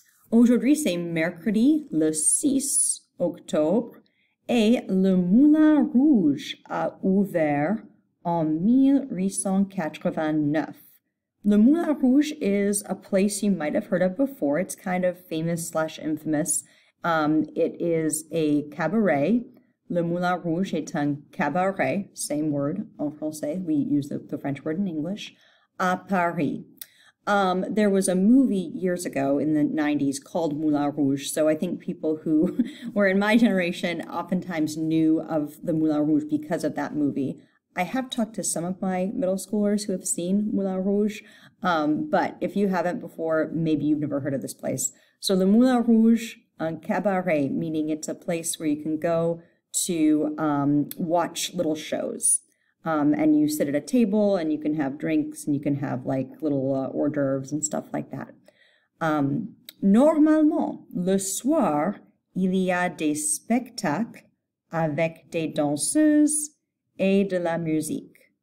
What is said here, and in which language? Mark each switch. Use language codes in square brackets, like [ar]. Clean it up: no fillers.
[fr] Aujourd'hui, c'est mercredi, le 6 octobre, et le Moulin Rouge a ouvert en 1889. [en] Le Moulin Rouge is a place you might have heard of before. It's kind of famous slash infamous. It is a cabaret. [fr] Le Moulin Rouge est un cabaret, [en] same word [fr] en français. [en] We use the French word in English, [fr] à Paris. [en] There was a movie years ago in the 90s called Moulin Rouge. So I think people who were in my generation oftentimes knew of the Moulin Rouge because of that movie. I have talked to some of my middle schoolers who have seen Moulin Rouge, but if you haven't before, maybe you've never heard of this place. So the Moulin Rouge, [fr] un cabaret, [en] meaning it's a place where you can go to watch little shows, and you sit at a table and you can have drinks and you can have like little hors d'oeuvres and stuff like that. [fr] Normalement, le soir, il y a des spectacles avec des danseuses et de la musique.